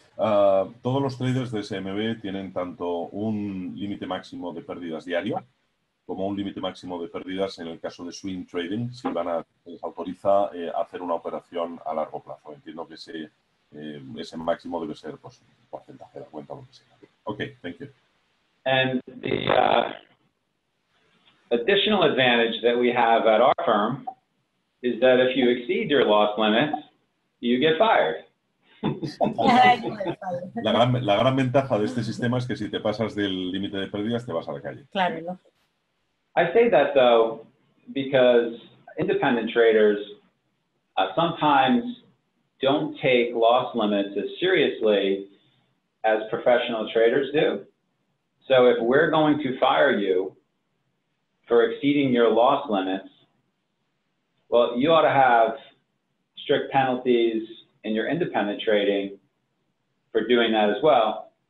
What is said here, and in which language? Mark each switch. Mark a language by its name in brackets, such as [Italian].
[Spanish] Todos los traders de SMB tienen tanto un límite máximo de pérdidas diario como un límite máximo de pérdidas en el caso de swing trading, si van a autoriza hacer una operación a largo plazo. Entiendo que ese máximo debe ser pues, un porcentaje de la cuenta o lo que sea. [English] Okay, thank you. And the additional advantage that we have at our firm is that if you exceed your loss limit, you get fired. [Spanish] La gran ventaja de este sistema es que si te pasas del límite de pérdidas, te vas a la calle. Claro. No. [English] I say that, though, because independent traders sometimes don't take loss limits as seriously as professional traders do. So if we're going to fire you for exceeding your loss limits, well, you ought to have strict penalties in your independent trading for doing that as well.